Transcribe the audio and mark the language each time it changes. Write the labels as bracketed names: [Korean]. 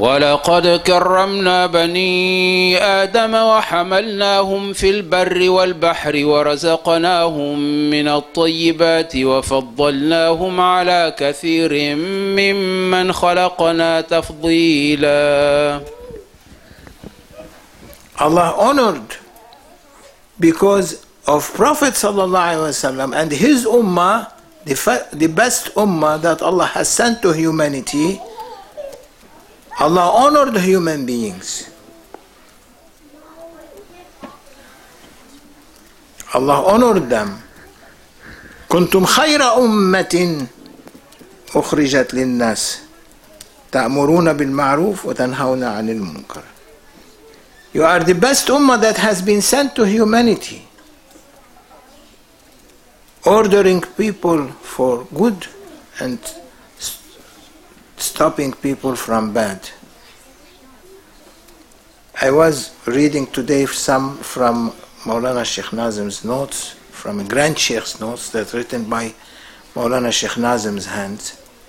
[Arabic] ولقد كرمنا بني آدم وحملناهم في البر والبحر ورزقناهم من الطيبات وفضلناهم على كثير ممن خلقنا تفضيلا. [English] Allah honored because of Prophet sallallahu alaihi wasallam and his ummah, the best ummah that Allah has sent to humanity. Allah honored human beings. Allah honored them. [Arabic] كنتم خير أمة أخرجت للناس تأمرون بالمعروف وتنهون عن المنكر. [English] You are the best ummah that has been sent to humanity, ordering people for good and stopping people from bad. I was reading today some from Mawlana Sheikh Nazim's notes, from a Grand Sheikh's notes that written by Mawlana Sheikh Nazim's hands.